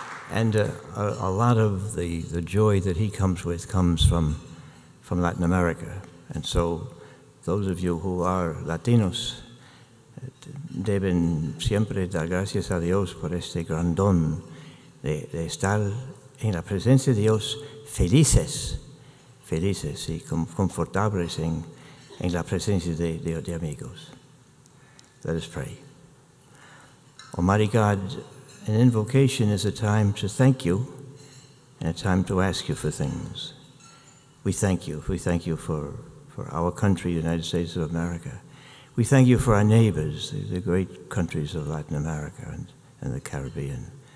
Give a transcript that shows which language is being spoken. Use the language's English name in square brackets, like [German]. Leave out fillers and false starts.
[English] And a lot of the joy that he comes with comes from Latin America. And so those of you who are Latinos [Spanish] deben siempre dar gracias a Dios por este gran don de estar en la presencia de Dios felices y confortables en la presencia de amigos. [English] Let us pray. Almighty God, an invocation is a time to thank you and a time to ask you for things. We thank you. We thank you for our country, United States of America. We thank you for our neighbors, the great countries of Latin America and the Caribbean.